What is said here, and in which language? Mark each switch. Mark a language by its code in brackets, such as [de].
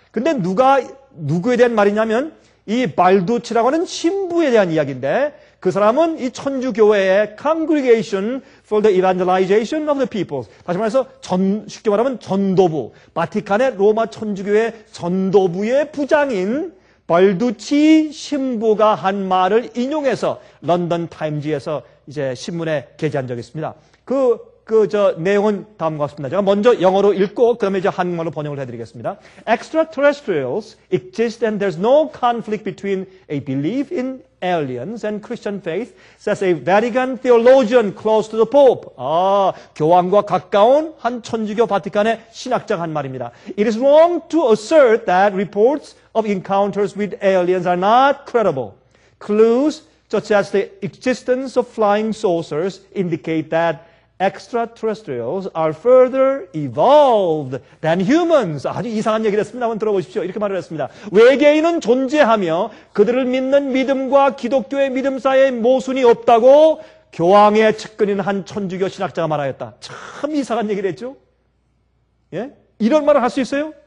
[ko] 근데 누구에 대한 말이냐면 이 발두치라고 하는 신부에 대한 이야기인데 그 사람은 이 천주교회의 Congregation for the Evangelization of the People, 다시 말해서 쉽게 말하면 전도부, 바티칸의 로마 천주교회 전도부의 부장인 벌두치 신부가 한 말을 인용해서 런던 타임즈에서 이제 신문에 게재한 적이 있습니다. 저 내용은 다음과 같습니다. 제가 먼저 영어로 읽고 그다음에 이제 한국말로 번역을 해드리겠습니다. [en] Extraterrestrials exist and there's no conflict between a belief in aliens and Christian faith, says a Vatican theologian close to the Pope. [ko] 아, 교황과 가까운 한 천주교 바티칸의 신학자가 한 말입니다. [en] It is wrong to assert that reports of encounters with aliens are not credible. Clues such as the existence of flying saucers indicate that extraterrestrials are further evolved than humans. [ko] 아주 이상한 얘기를 했습니다. 한번 들어보십시오. 이렇게 말을 했습니다. 외계인은 존재하며 그들을 믿는 믿음과 기독교의 믿음 사이에 모순이 없다고 교황의 측근인 한 천주교 신학자가 말하였다. 참 이상한 얘기를 했죠. 예? 이런 말을 할 수 있어요?